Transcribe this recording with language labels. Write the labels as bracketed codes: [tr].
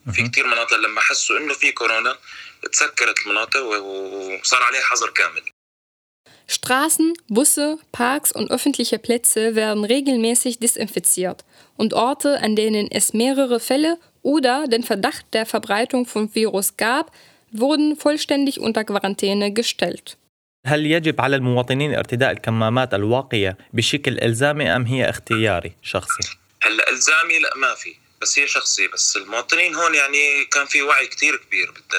[ar] في كتير مناطق لما حسوا إنه في كورونا تسكرت المناطق وصار عليها حظر كامل. [de] Straßen, Busse, Parks und öffentliche Plätze werden regelmäßig desinfiziert und Orte, an denen es mehrere Fälle oder den Verdacht der Verbreitung von Virus gab, wurden vollständig unter Quarantäne gestellt. [ar] هل يجب على المواطنين ارتداء الكمامات الواقية بشكل إلزامي أم هي اختياري شخصي؟ هل إلزامي؟ لا ما في، بس هي شخصي، بس المواطنين هون يعني كان في وعي كتير كبير